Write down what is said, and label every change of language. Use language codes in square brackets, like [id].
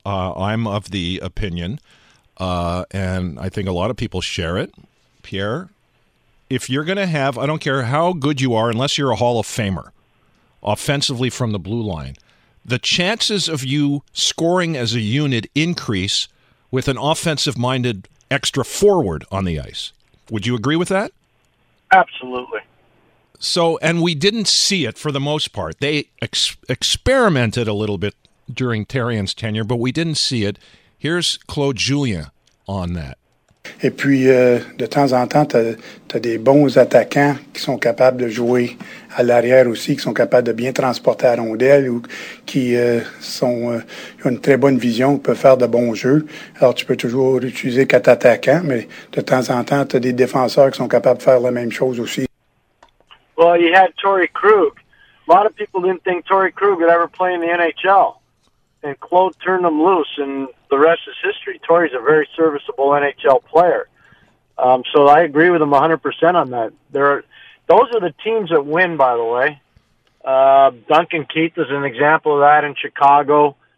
[en] I'm of the opinion, and I think a lot of people share it, Pierre, if you're going to have, I don't care how good you are, unless you're a Hall of Famer, offensively from the blue line, the chances of you scoring as a unit increase with an offensive-minded extra forward on the ice. Would you agree with that? Absolutely. So, and we didn't see it for the most part. They experimented a little bit during Therrien's tenure, but we didn't see it. Here's Claude Julien on that. [fr] Et puis, de temps en temps, t'as des bons attaquants qui sont capables de jouer à l'arrière aussi, qui sont capables de bien transporter la rondelle ou qui ont une très bonne vision, qui peuvent faire de bons jeux. Alors, tu peux toujours utiliser quatre attaquants, mais de temps en temps, t'as des défenseurs qui sont capables de faire la même chose aussi. [en] Well, you had Torrey Krug. A lot of people didn't think Torrey Krug would ever play in the NHL. And Claude turned him loose, and the rest is history. Torrey's a very serviceable NHL player. So I agree with him 100% on that. Those are the teams that win, by the way. Duncan Keith is an example of that in Chicago.